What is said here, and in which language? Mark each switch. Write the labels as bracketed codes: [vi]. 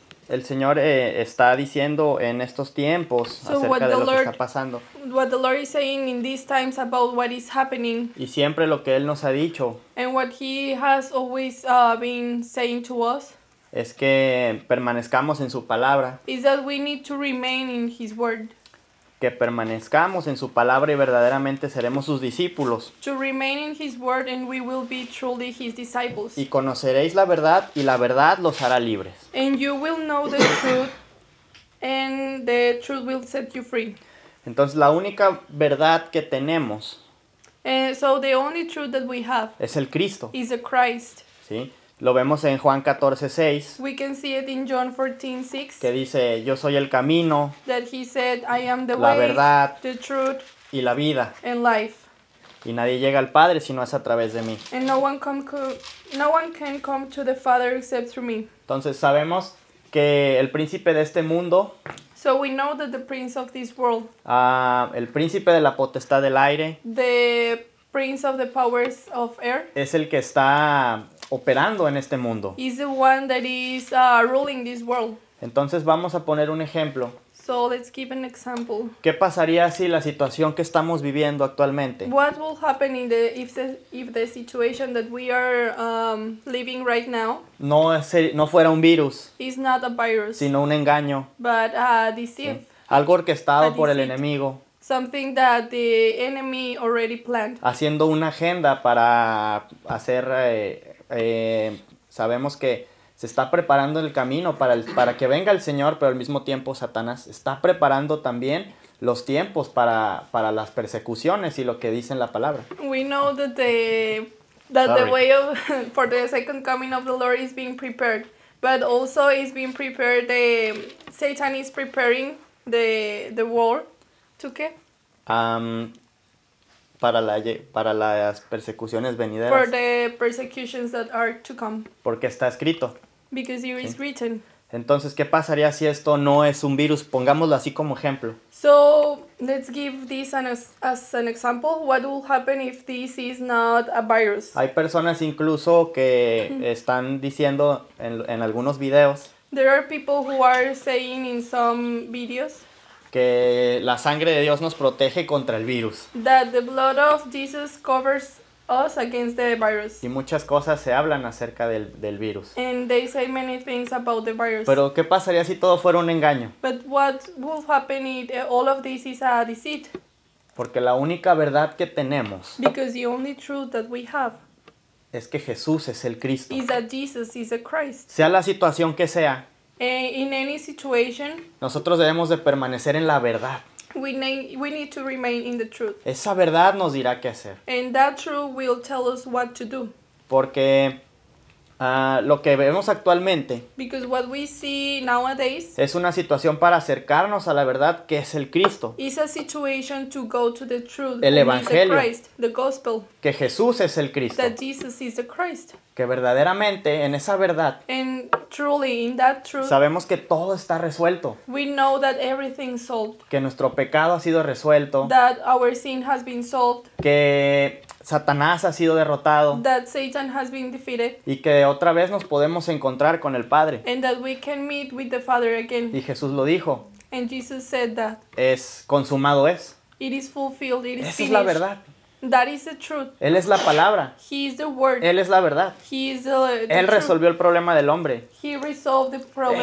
[es] el Señor está diciendo en estos tiempos acerca de lo que está pasando. [en] What the Lord is saying in these times about what is happening. [es] Y siempre lo que Él nos ha dicho. [en] And what He has always been saying to us. [es] Es que permanezcamos en su palabra. [en] Is that we need to remain in His word. [es] Que permanezcamos en su palabra y verdaderamente seremos sus discípulos. [en] To remain in His word and we will be truly His disciples. [es] Y conoceréis la verdad y la verdad los hará libres. [en] And you will know the truth and the truth will set you free. [es] Entonces la única verdad que tenemos. [en] So the only truth that we have. [es] Es el Cristo. [en] Is the Christ. [es] Sí. Lo vemos en Juan 14:6. [en] We can see it in John 14:6. [es] Que dice, yo soy el camino. [en] That he said, I am the [es] la [en] way. [es] La verdad. [en] The truth. [es] Y la vida. [en] And life. [es] Y nadie llega al Padre si no es a través de mí. [en] And no one can come to the Father except through me. [es] Entonces sabemos que el príncipe de este mundo. [en] So we know that the prince of this world. [es] El príncipe de la potestad del aire. [en] The prince of the powers of air. [es] Es el que está operando en este mundo. [en] Is the one that is ruling this world. [es] Entonces vamos a poner un ejemplo. [en] So let's give an example. [es] ¿Qué pasaría si la situación que estamos viviendo actualmente? [en] What will happen in the if the situation that we are living right now? [es] No fuera un virus. [en] Is not a virus. [es] Sino un engaño. [en] But a deceit. ¿Sí? [es] Algo orquestado por el enemigo. [en] Something that the enemy already planned. [es] Haciendo una agenda para hacer sabemos que se está preparando el camino para que venga el Señor, pero al mismo tiempo Satanás está preparando también los tiempos para las persecuciones y lo que dice en la palabra. [en] We know that the way of for the second coming of the Lord is being prepared, but also is being prepared the Satan is preparing the war to [es] qué? Para las persecuciones venideras. [en] For the persecutions that are to come. [es] Porque está escrito. [en] Because it is written. [es] Entonces, ¿qué pasaría si esto no es un virus? Pongámoslo así como ejemplo. [en] So, let's give this as an example. What will happen if this is not a virus? [es] Hay personas incluso que están diciendo en algunos videos. [en] There are people who are saying in some videos. [es] Que la sangre de Dios nos protege contra el virus. [en] That the blood of Jesus covers us against the virus. [es] Y muchas cosas se hablan acerca del virus. [en] And they say many things about the virus. [es] Pero ¿qué pasaría si todo fuera un engaño? [en] But what would happen if all of this is a deceit? [es] Porque la única verdad que tenemos. [en] Because the only truth that we have. [es] Es que Jesús es el Cristo. [en] Is that Jesus is the Christ. [es] Sea la situación que sea. [en] In any situation, [es] nosotros debemos de permanecer en la verdad. [en] We need to remain in the truth. [es] Esa verdad nos dirá qué hacer. [en] And that truth will tell us what to do. [es] Porque lo que vemos actualmente. [en] Because what we see nowadays. [es] Es una situación para acercarnos a la verdad que es el Cristo. [en] Is a situation to go to the truth. [es] El Evangelio. [en] The Christ, the gospel. [es] Que Jesús es el Cristo. [en] That Jesus is the Christ. [es] Que verdaderamente en esa verdad. [en] And truly in that truth. [es] Sabemos que todo está resuelto. [en] We know that everything's solved. [es] Que nuestro pecado ha sido resuelto. [en] That our sin has been solved. [es] Que Satanás ha sido derrotado. [en] That Satan has been defeated. [es] Y que otra vez nos podemos encontrar con el Padre. [en] And that we can meet with the Father again. [es] Y Jesús lo dijo. [en] And Jesus said that. [es] Es consumado es. [en] It is fulfilled. It is [es] esa [en] finished. [es] Es la verdad. [en] That is the truth. [es] Él es la palabra. [en] He is the word. [es] Él es la verdad. [en] He is the [es] Él [en] truth. [es] Resolvió el problema del hombre. [en] He resolved the problem